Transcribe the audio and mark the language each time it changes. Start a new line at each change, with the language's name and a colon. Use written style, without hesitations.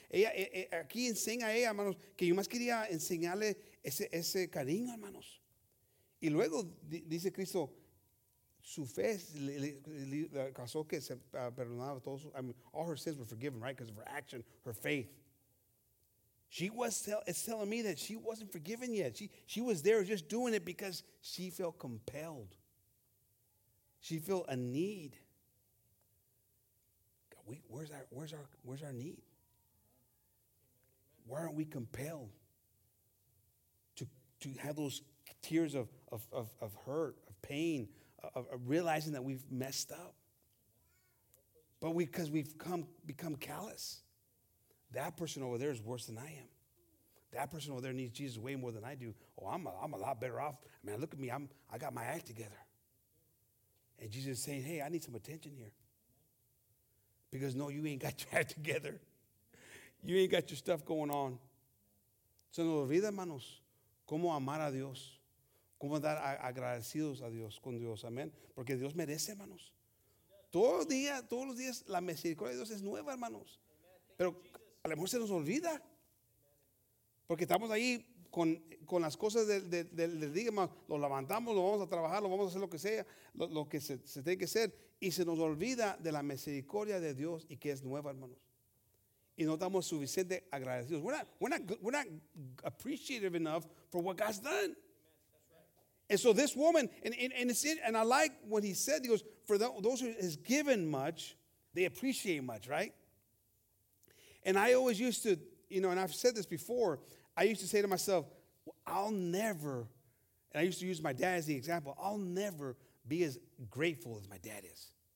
Spanish: Ella aquí enseña a ella, hermanos, que yo más quería enseñarle ese cariño, hermanos. Y luego dice Cristo, su fe le causó que se perdonaba todos.
English: All her sins were forgiven, right? Because of her action, her faith. It's telling me that she wasn't forgiven yet. She was there just doing it because she felt compelled. She felt a need. God, we're where's our need? Why aren't we compelled to have those tears of hurt, of pain, of realizing that we've messed up? But we've become callous. That person over there is worse than I am. That person over there needs Jesus way more than I do. Oh, I'm a lot better off. Man, look at me. I got my act together. And Jesus is saying, hey, I need some attention here. Because no, you ain't got your act together. You ain't got your stuff going on.
Spanish: Se nos olvida, hermanos, cómo amar a Dios. Cómo dar agradecidos a Dios, con Dios. Amén. Porque Dios merece, hermanos. Todos los días, la misericordia de Dios es nueva, hermanos. Pero a lo mejor se nos olvida. Porque estamos ahí con las cosas del día, lo levantamos, lo vamos a trabajar, lo vamos a hacer lo que sea, lo que se tiene que hacer, y se nos olvida de la misericordia de Dios y que es nueva, hermanos. Y no estamos suficiente agradecidos.
English: We're not appreciative enough for what God's done. And so this woman, and I like what he said, he goes, for those who has given much, they appreciate much, right? And I always used to, you know, and I've said this before, I used to say to myself, well, I'll never, and I used to use my dad as the example, I'll never be as grateful as my dad is.